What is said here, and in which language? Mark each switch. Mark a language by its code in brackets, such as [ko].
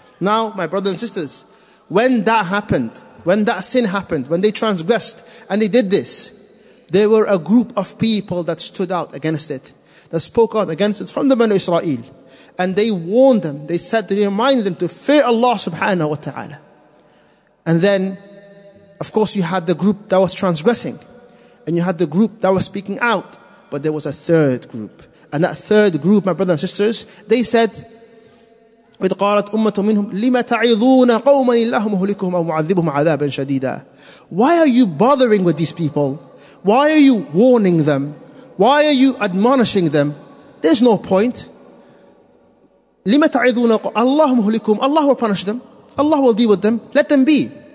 [en] Now, my brothers and sisters, when that happened, when that sin happened, when they transgressed and they did this, there were a group of people that stood out against it, that spoke out against it from the Banu Israel. And they warned them. They said to remind them to fear Allah subhanahu wa ta'ala. And then, of course, you had the group that was transgressing. And you had the group that was speaking out. But there was a third group. And that third group, my brothers and sisters, they said, [ar] وَإِذْ قَالَتْ أُمَّةٌ مِّنْهُمْ لِمَ تَعِذُونَ قَوْمًا إِلَّهُ مُهْلِكُهُمْ أَوْ مُعَذِّبُهُمْ عَذَابًا شَدِيدًا. [en] Why are you bothering with these people? Why are you warning them? Why are you admonishing them? There's no point. [ar] لِمَ تَعِذُونَ اللَّهُ مُهْلِكُهُمْ. [en] Allah will punish them. Allah will deal with them. Let them be.